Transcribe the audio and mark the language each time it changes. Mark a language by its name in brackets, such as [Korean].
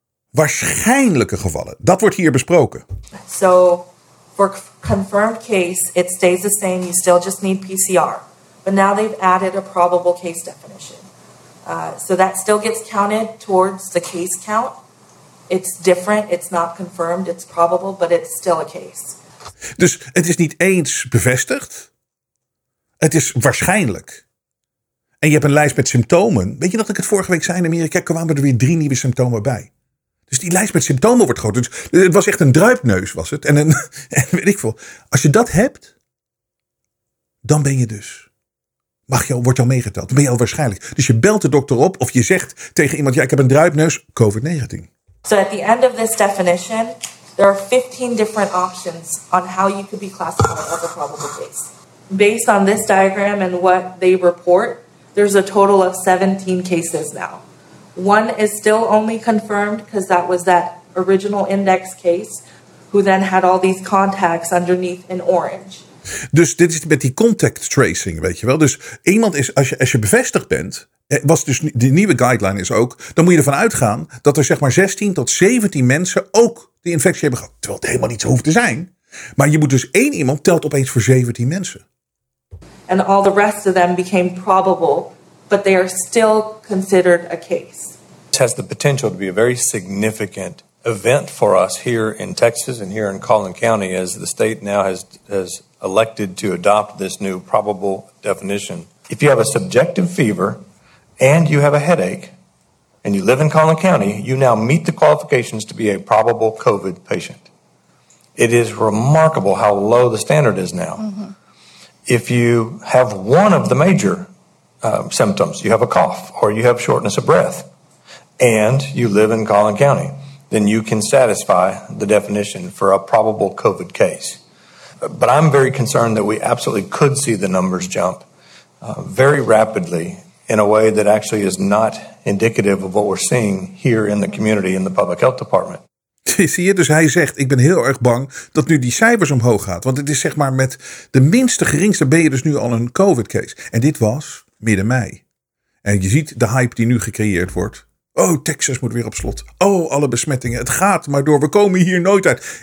[Dutch] Waarschijnlijke gevallen. Dat wordt hier besproken. [English] So, for confirmed case, it stays the same. You still just need PCR. But now they've added a probable case definition. So that still gets counted towards the case count. It's different. It's not confirmed. It's probable, but it's still a case. [Dutch] Dus het is niet eens bevestigd. Het is waarschijnlijk. En je hebt een lijst met symptomen. Weet je dat ik het vorige week zei in Amerika? Kwamen er weer 3 nieuwe symptomen bij. Dus die lijst met symptomen wordt groter. Dus het was echt een druipneus, was het. En weet ik veel. Als je dat hebt, dan ben je dus. Wordt jou meegeteld. Dan ben je al waarschijnlijk. Dus je belt de dokter op of je zegt tegen iemand, ja, ik heb een druipneus, COVID-19. [English] So at the end of this definition, there are 15 different options on how you could be classified as a probable case. Based on this diagram and what they report, there's a total of 17 cases now. One is still only confirmed because that was that original index case who then had all these contacts underneath in orange. [Dutch] Dus dit is met die contact tracing, weet je wel. Dus iemand is, als je bevestigd bent, was dus die nieuwe guideline is ook, dan moet je ervan uitgaan dat er 16 tot 17 mensen ook die infectie hebben gehad. Terwijl het helemaal niet zo hoeft te zijn. Maar je moet dus 1 iemand telt opeens voor 17 mensen. [English] And all the rest of them became probable, but they are still considered a case. It has the potential to be a very significant event for us here in Texas and here in Collin County, as the state now has elected to adopt this new probable definition. If you have a subjective fever and you have a headache and you live in Collin County, you now meet the qualifications to be a probable COVID patient. It is remarkable how low the standard is now. Mm-hmm. If you have one of the major symptoms, you have a cough or you have shortness of breath, and you live in Collin County, then you can satisfy the definition for a probable COVID case. But I'm very concerned that we absolutely could see the numbers jump very rapidly in a way that actually is not indicative of what we're seeing here in the community in the public health department. [Dutch] Zie je, dus hij zegt, ik ben heel erg bang dat nu die cijfers omhoog gaat. Want het is zeg maar met de minste geringste ben je dus nu al een COVID case. En dit was midden mei. En je ziet de hype die nu gecreëerd wordt. Oh, Texas moet weer op slot. Oh, alle besmettingen. Het gaat maar door. We komen hier nooit uit.